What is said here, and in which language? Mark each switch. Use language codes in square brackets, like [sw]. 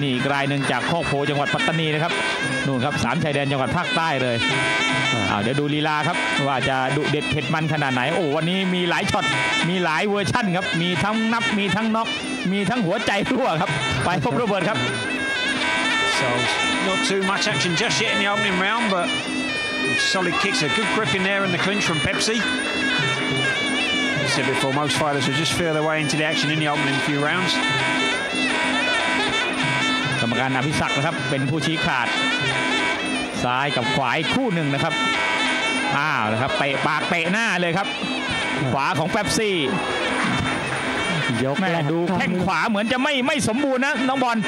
[th] นี่อีกรายนึงจากโคกโพจังหวัดปัตตานีนะครับนู่นครับ3ชายแดนจังหวัดภาคใต้เลยเดี๋ยวดูลีลาครับว่าจะดุเด็ดเผ็ดมันขนาดไหนโอ้วันนี้มีหลายช็อตมีหลายเวอร์ชั่นครับมีทั้งนับมีทั้งน็อกมีทั้งหัวใจรั่วครับไปพบระเบิดครับ [en] So not too much action just yet in the opening round but solid kicks a good grip in there in the clinch from PepsiSaid before, most fighters will just feel their way into the action in the opening few rounds. [th] กรรมการอภิศักดิ์นะครับเป็นผู้ชี้ขาดซ้ายกับขวาคู่หนึ่งนะครับอ้าวนะครับเตะปากเตะหน้าเลยครับขวาของเป๊ปซี่ยก แม่ดูแข้งขวาเหมือนจะไม่สมบูรณ์นะน้องบอล